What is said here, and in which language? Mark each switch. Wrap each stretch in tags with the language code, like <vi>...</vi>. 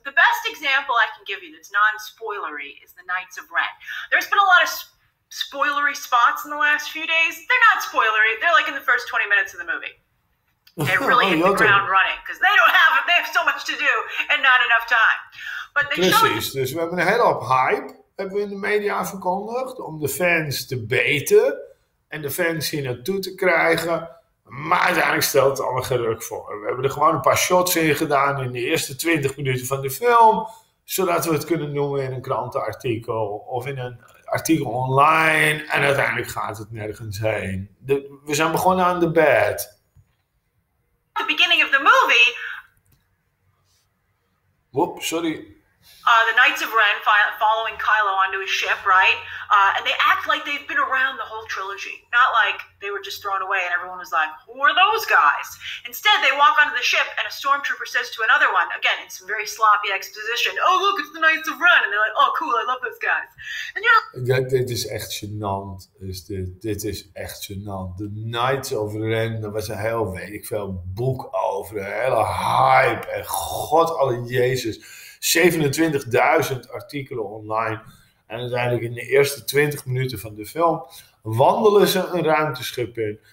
<en>The best example I can give you that's non-spoilery is the Knights of Ren. There's been a lot of spoilery spots in the last few days. They're not spoilery. They're like in the first 20 minutes of the movie. They really hit the ground running because they have so much to do and not enough time. But they</en> <nl>precies, dus we hebben een hele hoop hype, hebben we in de media verkondigd, om de fans te beten en de fans hier naartoe te krijgen. Maar uiteindelijk stelt het al een geruk voor. We hebben er gewoon een paar shots in gedaan in de eerste 20 minuten van de film, zodat we het kunnen noemen in een krantenartikel of in een artikel online. En uiteindelijk gaat het nergens heen. We zijn begonnen aan de bad.</nl> <en>The beginning of the movie. Whoop, sorry. The Knights of Ren following Kylo onto his ship, right? And they act like they've been around the whole trilogy. Not like they were just thrown away and everyone was like, who are those guys? Instead, they walk onto the ship and a stormtrooper says to another one, again, in some very sloppy exposition, oh, look, it's the Knights of Ren. And they're like, oh, cool, I love those guys. And you're like,</en> <nl>dit is echt gênant. Dit is echt gênant. The Knights of Ren, daar was een heel, weet ik veel, boek over. Een hele hype. En God alle Jezus. 27.000 artikelen online. En uiteindelijk in de eerste 20 minuten van de film wandelen ze een ruimteschip in.</nl>